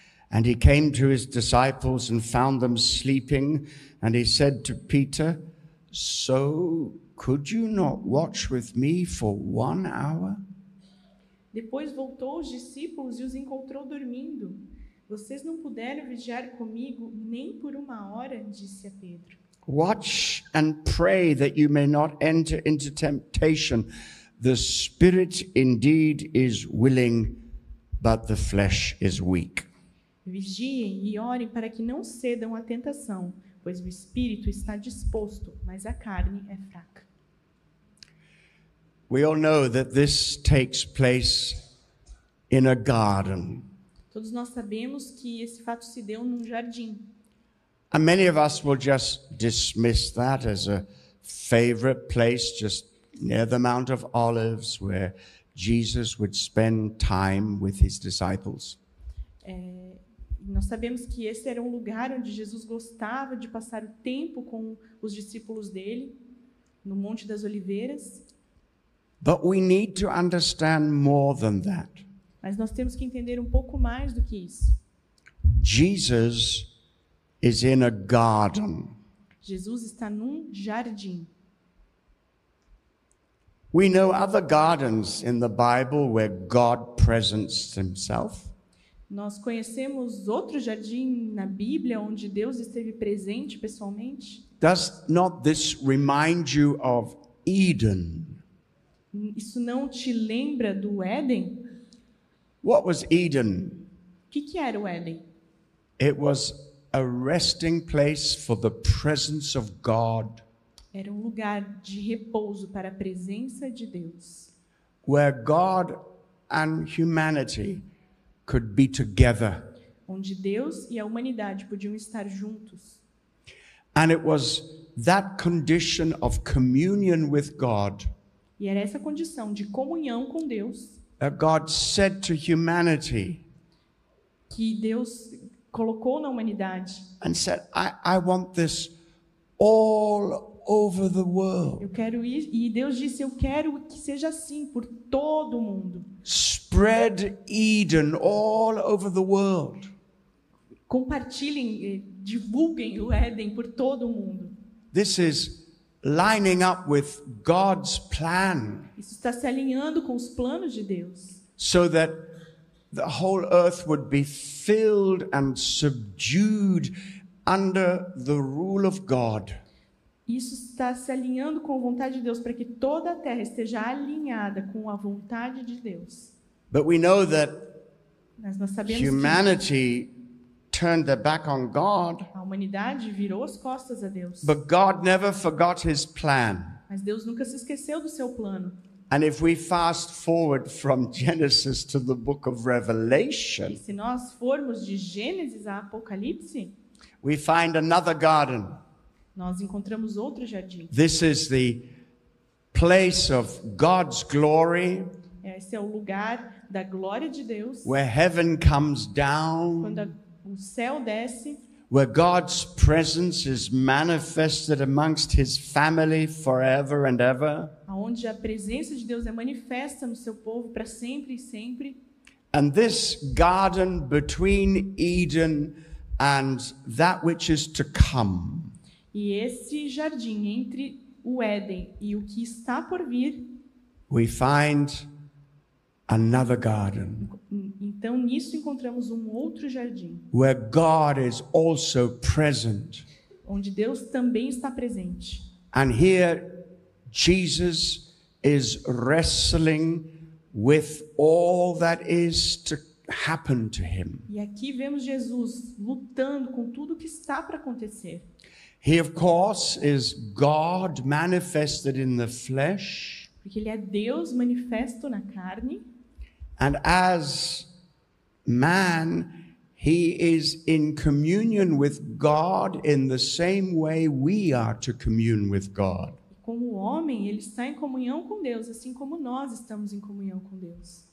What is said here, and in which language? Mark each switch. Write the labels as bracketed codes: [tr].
[en] And he came to his disciples and found them sleeping. And he said to Peter, So could you not watch with me for 1 hour? [pt] Depois voltou aos discípulos e os encontrou dormindo. Vocês não puderam vigiar comigo nem por 1 hora, disse a Pedro. [en] Watch and pray that you may not enter into temptation. The spirit indeed is willing, but the flesh is weak. [pt] Vigiem e orem para que não cedam à tentação, pois o espírito está disposto, mas a carne é fraca. [en] We all know that this takes place in a garden. [pt] Todos nós sabemos que esse fato se deu num jardim. [en] And many of us will just dismiss that as a favorite place, just near the Mount of Olives, where Jesus would spend time with his disciples. [pt] Nós sabemos que esse era um lugar onde Jesus gostava de passar o tempo com os discípulos dele, no Monte das Oliveiras. [en] But we need to understand more than that. [pt] Mas nós temos que entender um pouco mais do que isso. [en] Jesus is in a garden. [pt] Jesus está num jardim. [en] We know other gardens in the Bible where God presents himself. [pt] Nós conhecemos outro jardim na Bíblia onde Deus esteve presente pessoalmente? [en] Does not this remind you of Eden? [pt] Isso não te lembra do Éden? [en] What was Eden? [pt] Que era o Éden? [en] It was a resting place for the presence of God. [pt] Era um lugar de repouso para a presença de Deus. [en] Where God and humanity could be together. [pt] Onde Deus e a humanidade podiam estar juntos. [en] And it was that condition of communion with God. [pt] E era essa condição de comunhão com Deus. [en] That God said to humanity. [pt] Que Deus colocou na humanidade. [en] And said, I want this all over the world. [pt] Eu quero ir, e Deus disse, eu quero que seja assim por todo mundo. [en] Spread Eden all over the world. [pt] Compartilhem, divulguem o Éden por todo mundo. [en] This is lining up with God's plan. [pt] Isso está se alinhando com os planos de Deus. [en] So that the whole earth would be filled and subdued under the rule of God. [pt] Isso está se alinhando com a vontade de Deus para que toda a terra esteja alinhada com a vontade de Deus. [en] But we know that [pt] nós sabemos [en] humanity [pt] que [en] turned their back on God. [pt] A humanidade virou as costas a Deus. [en] But God never forgot his plan. [pt] Mas Deus nunca se esqueceu do seu plano. [en] And if we fast forward from Genesis to the book of Revelation, [pt] se nós formos de Gênesis a Apocalipse, [en] we find another garden. [pt] Nós encontramos outro jardim. [en] This is the place of God's glory. [pt] Esse é o lugar da glória de Deus. [en] Where heaven comes down. [pt] Quando o céu desce. [en] Where God's presence is manifested amongst his family forever and ever. [pt] Onde a presença de Deus é manifesta no seu povo para sempre e sempre. [en] And this garden between Eden and that which is to come. [pt] E esse jardim entre o Éden e o que está por vir. [en] We find another garden. [pt] Então nisso encontramos um outro jardim. [en] Where God is also present. [pt] Onde Deus também está presente. [en] And here Jesus is wrestling with all that is to happened to him. [pt] E aqui vemos Jesus lutando com tudo que está para acontecer. [en] He of course is God manifested in the flesh. [pt] Porque ele é Deus manifesto na carne. [en] And as man, he is in communion with God in the same way we are to commune with God. [pt] Como homem, ele está em comunhão com Deus, assim como nós estamos em comunhão com Deus.